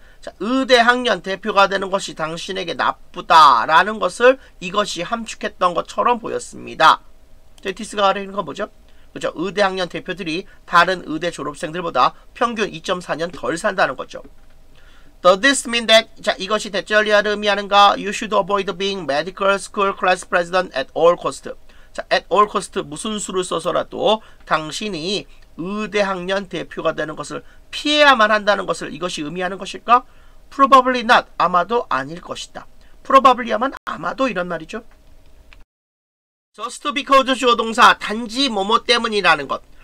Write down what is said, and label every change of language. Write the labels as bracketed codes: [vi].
[ko] 자, 의대 학년 대표가 되는 것이 당신에게 나쁘다라는 것을 이것이 함축했던 것처럼 보였습니다. 자, this가 하려는 건 뭐죠? 그죠? 의대 학년 대표들이 다른 의대 졸업생들보다 평균 2.4년 덜 산다는 거죠. [en] Does this mean that, [ko] 자, 이것이 대절리아를 의미하는가? [en] You should avoid being medical school class president at all cost. [ko] 자, at all cost, 무슨 수를 써서라도 당신이 의대 학년 대표가 되는 것을 피해야만 한다는 것을 이것이 의미하는 것일까? [en] Probably not. [ko] 아마도 아닐 것이다. Probably야만 아마도 이런 말이죠. Just because 주어동사, 단지 뭐뭐 때문이라는 것.